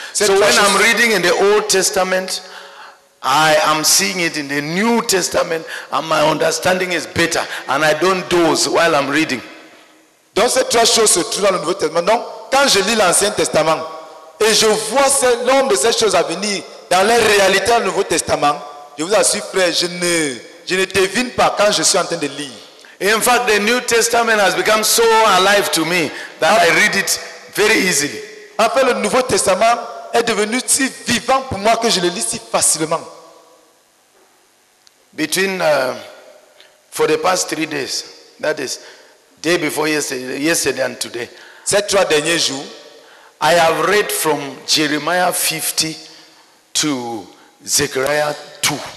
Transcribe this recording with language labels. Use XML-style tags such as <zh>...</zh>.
<en>So when I'm reading in the Old Testament, I am seeing it in the New Testament, and my understanding is better, and I don't doze while I'm reading.</en> <fr>Dans ces trois choses se trouvent dans le Nouveau Testament. Donc, quand je lis l'Ancien Testament, et je vois ce nombre de ces choses à venir dans les réalités du Nouveau Testament, je vous assure, frère, je ne devine pas quand je suis en train de lire.</fr> <en>In fact, the New Testament has become so alive to me that I read it very easily.</en> <fr>En fait, le Nouveau Testament est devenu si vivant pour moi que je le lis si facilement.</fr> <en>Between for the past 3 days, that is, day before yesterday and today,</en> <fr>ces trois derniers jours,</fr> <en>I have read from Jeremiah 50 to Zechariah 2.</en>